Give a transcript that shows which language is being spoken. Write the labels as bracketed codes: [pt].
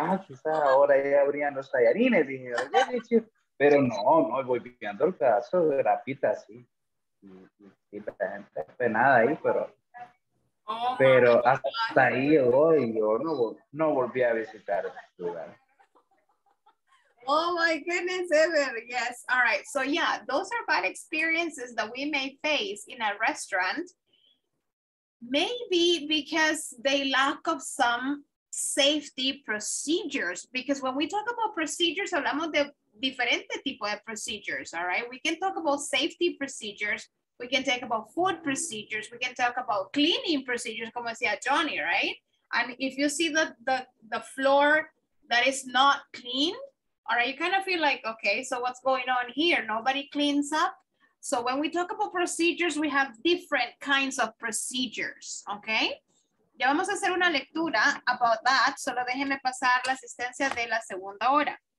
[es] Quizás ahora ya abrían los tallarines. Dije, pero no, voy viendo el pedazo de grapita así. Y la gente está penada ahí, pero. Oh, pero hasta ahí hoy yo no volví a visitar el lugar. [en] Oh my goodness, Ever. Yes. All right. So yeah, those are bad experiences that we may face in a restaurant. Maybe because they lack of some safety procedures. Because when we talk about procedures, [es] hablamos de diferente tipo de procedures. [en] All right. We can talk about safety procedures. We can talk about food procedures. We can talk about cleaning procedures, [es] como decía Johnny, [en] right? And if you see the floor that is not clean, all right, you kind of feel like, okay, so what's going on here? Nobody cleans up. So when we talk about procedures, we have different kinds of procedures, okay? [es] Ya vamos a hacer una lectura [en] about that. [es] Solo déjeme pasar la asistencia de la segunda hora.